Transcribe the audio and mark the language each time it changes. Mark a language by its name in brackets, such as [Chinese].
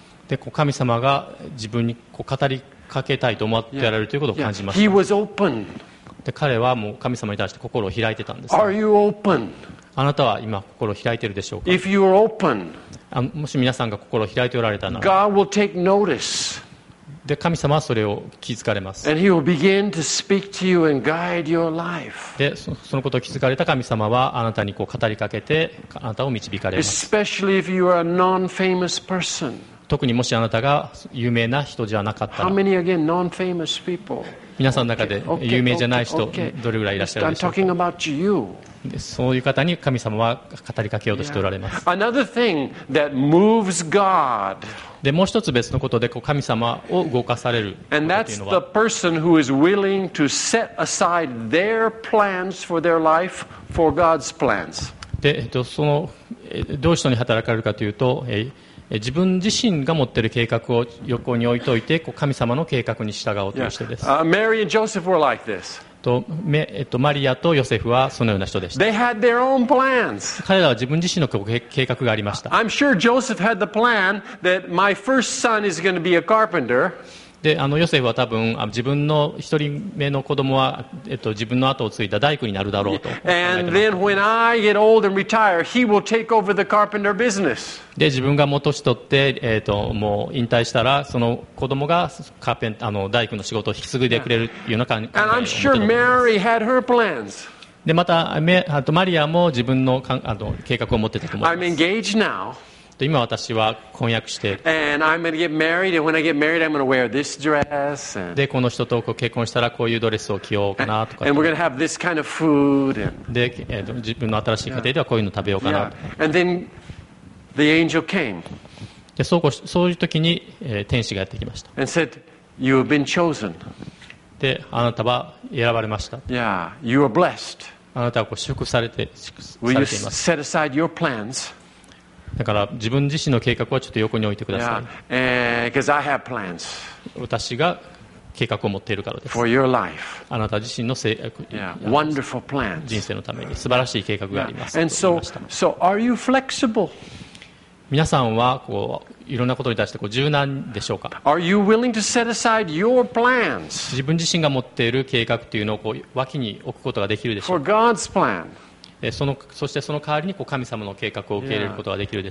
[Japanese] で、こう神様が自分にこう語りかけたいと思ってやられるということを感じました。 [English] He was open. [Japanese] で、彼はもう神様に対して心を開いてたんです、 [English] ね、Are you open? [Japanese] あなたは今心を開いてるでしょうか。 [English] If you are open [Japanese] もし皆さんが心を開いておられたなら、 [English] God will take notice. [Japanese] で、神様はそれを気づかれます。 [English] And he will begin to speak to you and guide your life. [Japanese] で、そのことを気づかれた神様はあなたにこう語りかけてあなたを導かれます。 [English] Especially if you are a non-famous person. [Japanese] 特にもしあなたが有名な人じゃなかったら。 [English] How many again non-famous people? [Japanese] 皆さんの中で有名じゃない人どれぐらいいらっしゃるでしょうか。 [English] I'm talking about you. [Japanese] そういう方に神様は語りかけようとしておられます。 [English] Another thing that moves God. [Japanese] で、もう一つ別のことでこう神様を動かされるというのは。 [English] And that's the person who is willing to set aside their plans for their life for God's plans. [Japanese] で、そのどういう人に働かれるかというと、自分自身が持っている計画を横に置いといて、こう神様の計画に従おうという人です。 [English] Mary and Joseph were like this. [Japanese] マリアとヨセフはそのような人でした。 [English] They had their own plans. [Japanese] 彼らは自分自身の計画がありました。 [English] I'm sure Joseph had the plan that my first son is going to be a carpenter. [Japanese] で、ヨセフは多分自分の一人目の子供は自分の後を継いだ大工になるだろうと。 [English] And then when I get old and retire, he will take over the carpenter business. [Japanese] で、自分がもう年取って、もう引退したら、その子供がカーペン、大工の仕事を引き継いでくれるような感じ。 [English] And I'm sure Mary had her plans. [Japanese] でまたあとマリアも自分 の, かあの計画を持っていたと思います。 [English] I'm engaged now. [Japanese] 今私は婚約して [English] And I'm going to get married. And when I get married, I'm going to wear this dress. And... [Japanese] でこの人とこう結婚したらこういうドレスを着ようかなとか。 [English] And we're going to have this kind of food. [Japanese] で自分の新しい家庭ではこういうの食べようかなとか。 [English] And then the angel came. [Japanese] でそうこうそういう時に、天使がやってきました。 [English] And said, "You have been chosen." [Japanese] であなたは選ばれました。 [English] Yeah, you are blessed. [Japanese] あなたはこう祝福されて、 [English] Will you set aside your plans? [Japanese] だから自分自身の計画はちょっと横に置いてください。 [English] Because I have plans. [Japanese] 私が計画を持っているからです。 [English] For your life. [Japanese] あなた自身の [English] yeah, wonderful plans. [Japanese] 人生のために素晴らしい計画があります。 [English] And so are you flexible? [Japanese] 皆さんはこういろんなことに対してこう柔軟でしょうか。 [English] Are you willing to set aside your plans? [Japanese] 自分自身が持っている計画というのをこう脇に置くことができるでしょうか。 [English] For God's plan. [Japanese] そしてその代わりにこう神様の計画を受け入れることができるで